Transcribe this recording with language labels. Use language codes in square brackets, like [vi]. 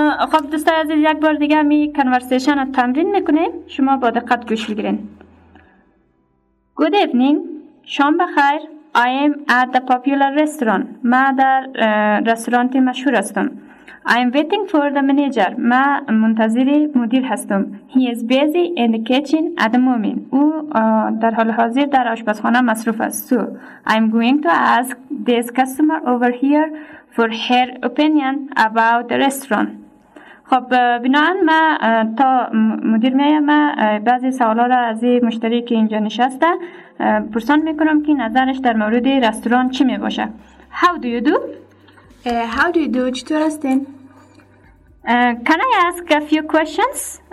[fa] خب دوستای عزیز یک بار دیگه می کنورسیشن را تمرین میکنیم. شما با دقت گوش بگیرین. [en] Good evening. [fa] شام بخیر. [en] I am at the popular restaurant. [fa] ما در رستوران مشهور هستم. [en] I am waiting for the manager. [fa] ما منتظر مدیر هستم. [en] He is busy in the kitchen at the moment. [fa] او در حال حاضر در آشپزخانه مصروف است. [en] So, I am going to ask this customer over here for her opinion about the restaurant. [fa] خب بناهن ما تا مدیر میایم ما بعضی سوالا را از مشتری که اینجا نشسته پرسان میکنم که نظرش در مورد رستوران چی میباشه. [en] How do you do? How do you do? [fa] چطور هستین؟ [en] Can I ask a few questions?